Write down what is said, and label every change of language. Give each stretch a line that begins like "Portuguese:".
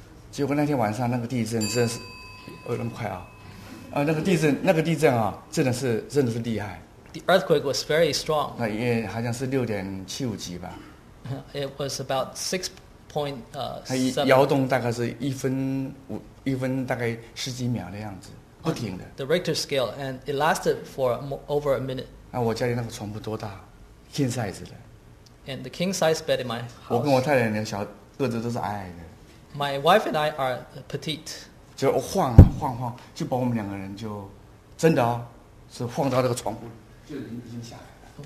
Chinese: 结果那天晚上那个地震真是，有那么快啊？那个地震啊，真的是厉害。
English: The earthquake was very strong.
Chinese: 那也好像是6.75级吧。
English: It was about
Chinese: 6.7. 它摇动大概是一分大概十几秒的样子，不停的。
English: The Richter scale, and it lasted for over a minute.
Chinese: 那我家里那个床铺多大？
English: king size 的，and the king size bed in my house。
Chinese: 我跟我太太两小个子都是矮矮的。
English: My wife and I are petite。
Chinese: 就晃晃晃，就把我们两个人就真的是晃到那个床铺，就已经下来了。